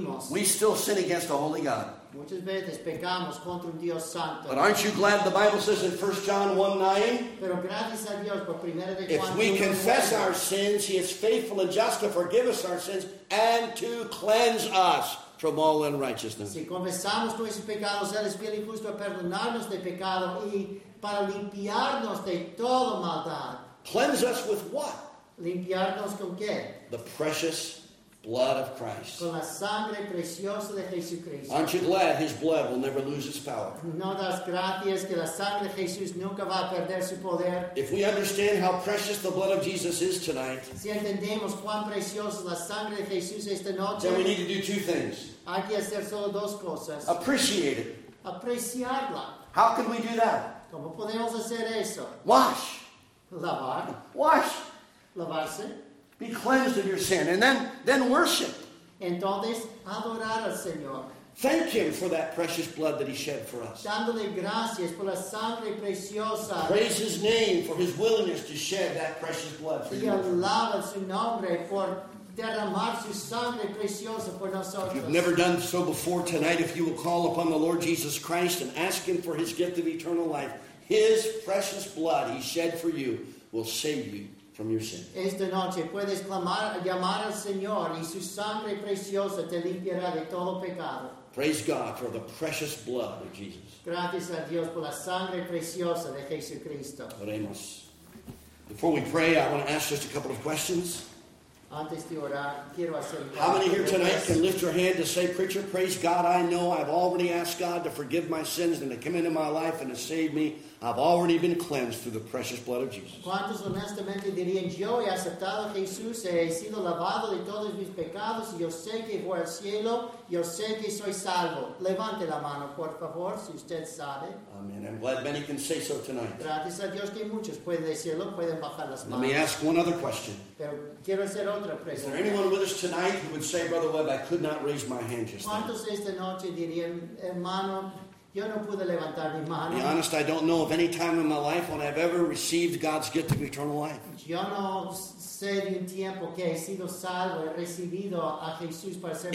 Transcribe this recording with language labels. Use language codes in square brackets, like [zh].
[en] We still sin against the Holy God. [es] Muchas veces pecamos contra un Dios santo. [en] But aren't you glad the Bible says in 1 John 1:9? [es] Pero gracias a Dios por primera de Juan. [en] If we confess our sins, He is faithful and just to forgive us our sins and to cleanse us from all unrighteousness. [es] Si confesamos nuestros pecados, Él es fiel y justo para perdonarnos de pecado y para limpiarnos de toda maldad. [en] Cleanse us with what? [es] Limpiarnos con qué? [en] The precious blood of Christ. [es] Con la sangre preciosa de Jesucristo. [en] Aren't you glad His blood will never lose its power? [es] No das gracias que la sangre de Jesús nunca va a perder su poder. [en] If we understand how precious the blood of Jesus is tonight, [es] si entendemos cuán preciosa la sangre de Jesús esta noche, [en] then we need to do two things. [es] Hay que hacer solo dos cosas. [en] Appreciate it. [es] Apreciarla. [en] How can we do that? [es] ¿Cómo podemos hacer eso? [en] Wash. [es] Lavar. [en] Wash. [es] Lavarse. [en] Be cleansed of your sin. And then worship. [es] Entonces, adorar al Señor. [en] Thank Him for that precious blood that He shed for us. [es] Dándole gracias por la sangre preciosa. [en] Praise His name for His willingness to shed that precious blood for [es] y [en] you. [es] Y alaba su nombre por derramar su sangre preciosa por nosotros. [en] If you've never done so before tonight, if you will call upon the Lord Jesus Christ and ask Him for His gift of eternal life, His precious blood He shed for you will save you from your sin. [es] Esta noche puedes clamar, llamar al Señor y su sangre preciosa te limpiará de todo pecado. [en] Praise God for the precious blood of Jesus. [es] Gracias a Dios por la sangre preciosa de Jesucristo. Oremos. [en] Before we pray, I want to ask just a couple of questions. [es] Antes de orar, quiero hacer. [en] How many here tonight can lift your hand to say, "Preacher, praise God, I know I've already asked God to forgive my sins and to come into my life and to save me. I've already been cleansed through the precious blood of Jesus." [es] ¿Cuántos honestamente dirían, yo he aceptado a Jesús, he sido lavado de todos mis pecados, y yo sé que voy al cielo, yo sé que soy salvo? Levante la mano, por favor, si usted sabe. [en] Amen. I'm glad many can say so tonight. [es] Gracias a Dios que muchos pueden decirlo, pueden bajar las manos. [en] Let me ask one other question. [es] Pero quiero hacer otra pregunta. [en] Is there anyone with us tonight who would say, "Brother Webb, I could not raise my hand just now"? [es] ¿Cuántos esta noche dirían, hermano, yo no pude levantar mi mano? [en] To be honest, I don't know of any time in my life when I've ever received God's gift of eternal life. [es] Yo no sé de un tiempo que he sido salvo, he recibido a Jesús para ser